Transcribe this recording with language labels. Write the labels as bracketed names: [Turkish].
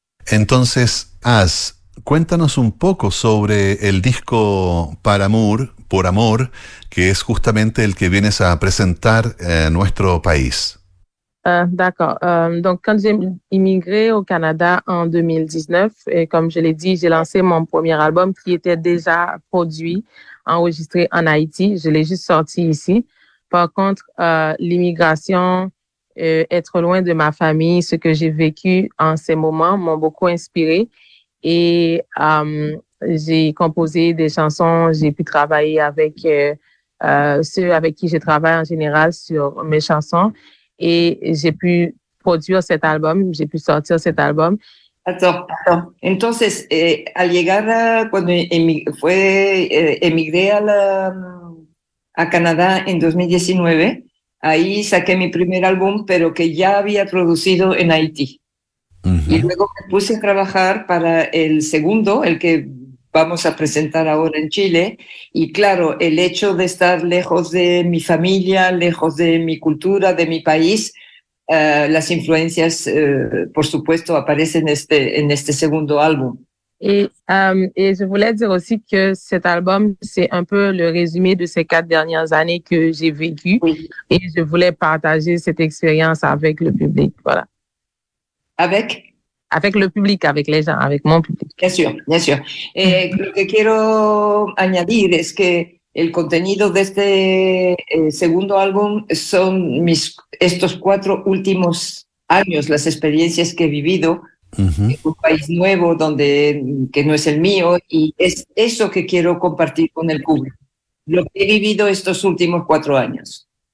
[Spanish] Entonces, Az, cuéntanos un poco sobre el disco Par Amour, Por Amor, que es justamente el que vienes a presentar en nuestro país. [French] D'accord. Donc, quand j'ai immigré au Canada en 2019, et comme je l'ai dit, j'ai lancé mon premier album qui était déjà produit, enregistré en Haïti. Je l'ai juste sorti ici. Par contre, l'immigration... être loin de ma famille, ce que j'ai vécu en ces moments m'ont beaucoup inspirée et j'ai composé des chansons, j'ai pu travailler avec ceux avec qui je travaille en général sur mes chansons et j'ai pu produire cet album, j'ai pu sortir cet album. Attends. [Spanish] Entonces, al llegar a, cuando emigré a Canadá en 2019, ahí saqué mi primer álbum, pero que ya había producido en Haití. Uh-huh. Y luego me puse a trabajar para el segundo, el que vamos a presentar ahora en Chile. Y claro, el hecho de estar lejos de mi familia, lejos de mi cultura, de mi país, las influencias, por supuesto, aparecen en este segundo álbum. [French] Et je voulais dire aussi que cet album, c'est un peu le résumé de ces quatre dernières années que j'ai vécues et je voulais partager cette expérience avec le public, voilà. Avec? Avec le public, avec les gens, avec mon public. Bien sûr, bien sûr. [Spanish] Lo que quiero añadir es que el contenido de este segundo álbum son estos cuatro últimos años, las experiencias que he vivido. Uh-huh. Un país nuevo donde que no es el mío y es eso que quiero compartir con el público, lo que he vivido estos últimos cuatro años.